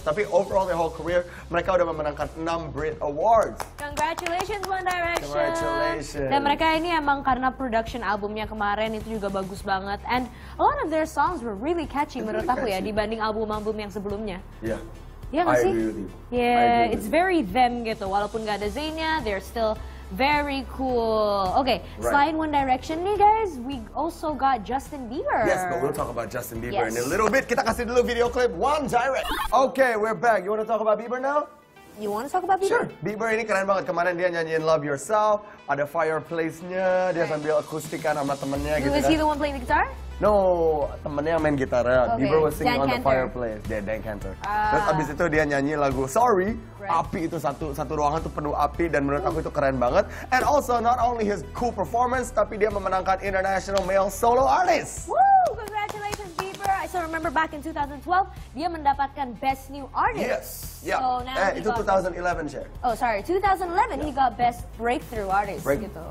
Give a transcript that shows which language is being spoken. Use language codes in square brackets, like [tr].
[id] Tapi [en] overall their whole career, [id] mereka udah memenangkan 6 Brit Awards. [en] Congratulations One Direction. Congratulations. [id] Dan mereka ini emang karena production albumnya kemarin itu juga bagus banget. [en] And a lot of their songs were really catchy [id] menurut aku ya, dibanding album-album yang sebelumnya. Iya, gak sih? [en] It's very them [id] gitu. Walaupun gak ada Zayn-nya, [en] they're still very cool. Okay, Slide One Direction [id] nih [en] guys, we also got Justin Bieber. Yes, but we'll talk about Justin Bieber in a little bit. [id] Kita kasih dulu video clip One Direction. [en] Okay, we're back. You want to talk about Bieber now? You want to talk about Bieber? [id] Sure. Bieber ini keren banget. Kemarin dia nyanyiin Love Yourself, ada fireplace-nya, dia sambil akustikan sama temennya gitu. [en] Was he the one playing the guitar? No, [id] temennya yang main gitar. [en] Bieber was singing on the fireplace. [id] Dia Dan Cantor. Terus abis itu dia nyanyi lagu Sorry. Api itu satu ruangan tuh penuh api dan menurut aku itu keren banget. [en] And also not only his cool performance, [id] tapi dia memenangkan [en] International Male Solo Artist. Woo, congratulations Bieber. I still remember back in 2012, [id] dia mendapatkan [en] Best New Artist. Yes, yeah. So now [id] itu 2011, Cher. [en] Oh, sorry, 2011 he got Best Breakthrough Artist. [id] Gitu.